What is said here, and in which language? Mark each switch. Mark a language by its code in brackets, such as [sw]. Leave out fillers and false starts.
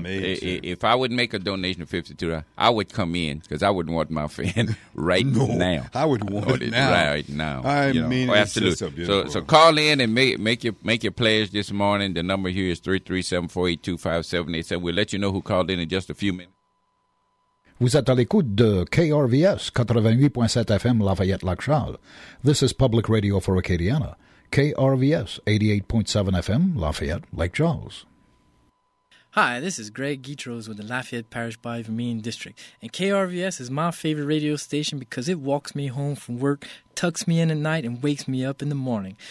[en] if I would make a donation of $52, I would come in because I wouldn't want my fan right now. I would want it now. Right now. Absolutely. It's just so beautiful. So call in and make your pledge this morning. The number here is 337-482-5787. We'll let you know who called in just a few minutes. [fr] Vous êtes à l'écoute de KRVS 88.7 FM Lafayette Lac Charles. [en] This is Public Radio for Acadiana. KRVS 88.7 FM Lafayette Lake Charles. Hi, this is Greg Gitros with the Lafayette Parish Baie-Vermillion District, and KRVS is my favorite radio station because it walks me home from work, tucks me in at night, and wakes me up in the morning.